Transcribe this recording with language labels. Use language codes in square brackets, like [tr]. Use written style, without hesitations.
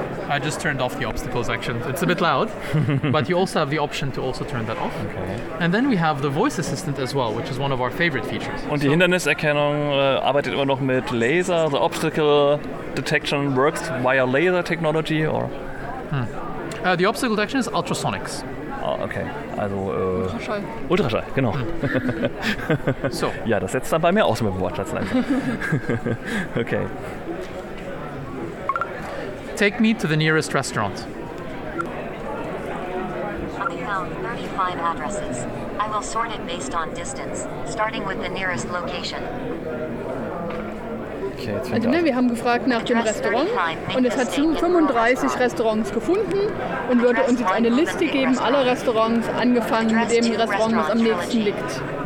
[en] I just turned off the obstacle section. It's a bit loud, but you also have the option to also turn that off. Okay. And then we have the voice assistant as well, which is one of our favorite features. [de] Und die Hinderniserkennung arbeitet immer noch mit Laser. [en] The obstacle detection works via laser technology or? The obstacle detection is ultrasonics. [de] Okay, also Ultraschall. Ultraschall, genau. [en] So. [de] Ja, das setzt dann bei mir aus mit dem Wortschatz. [en] Okay. Take me to the nearest restaurant. I found 35 addresses. I will sort it based on distance, starting with the nearest location. Okay, [de] also, ne, wir haben gefragt nach dem Restaurant und es hat 35 Restaurants gefunden und würde uns jetzt eine Liste geben aller Restaurants, angefangen mit dem Restaurant, was am nächsten liegt.